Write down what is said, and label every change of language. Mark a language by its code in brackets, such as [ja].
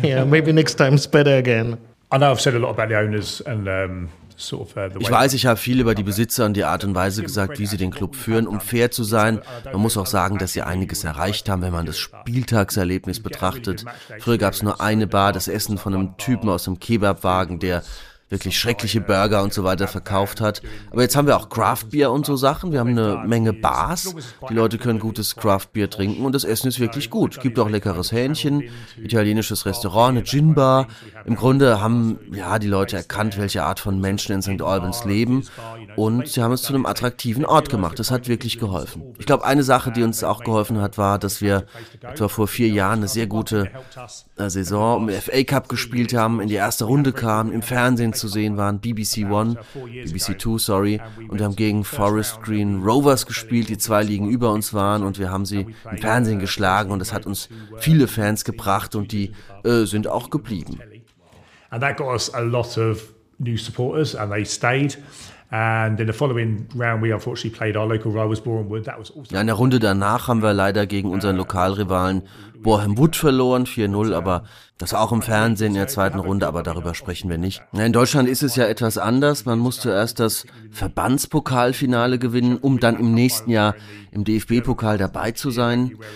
[en] Yeah, maybe next time it's better again. I know I've said a lot about the owners and [de] ich weiß, ich habe viel über die Besitzer und die Art und Weise gesagt, wie sie den Club führen, um fair zu sein. Man muss auch sagen, dass sie einiges erreicht haben, wenn man das Spieltagserlebnis betrachtet. Früher gab es nur eine Bar, das Essen von einem Typen aus dem Kebabwagen, der wirklich schreckliche Burger und so weiter verkauft hat. Aber jetzt haben wir auch Craft Beer und so Sachen. Wir haben eine Menge Bars. Die Leute können gutes Craft Beer trinken und das Essen ist wirklich gut. Es gibt auch leckeres Hähnchen, italienisches Restaurant, eine Gin-Bar. Im Grunde haben ja die Leute erkannt, welche Art von Menschen in St. Albans leben und sie haben es zu einem attraktiven Ort gemacht. Das hat wirklich geholfen. Ich glaube, eine Sache, die uns auch geholfen hat, war, dass wir etwa vor 4 Jahren eine sehr gute Saison im FA Cup gespielt haben, in die erste Runde kamen, im Fernsehen zu sehen waren, BBC Two, und wir haben gegen Forest Green Rovers gespielt, die 2 Ligen über uns waren und wir haben sie im Fernsehen geschlagen und das hat uns viele Fans gebracht und die sind auch geblieben. [en] And that got us a lot of new supporters and they stayed. And in the following round we unfortunately played our local rivals Borehamwood. That was [de] also in der Runde danach haben wir leider gegen unseren Lokalrivalen Boreham Wood verloren, 4-0, aber das auch im Fernsehen in der zweiten Runde, aber darüber sprechen wir nicht. In Deutschland ist es ja etwas anders. Man muss zuerst das Verbandspokalfinale gewinnen, um dann im nächsten Jahr im DFB-Pokal dabei zu sein.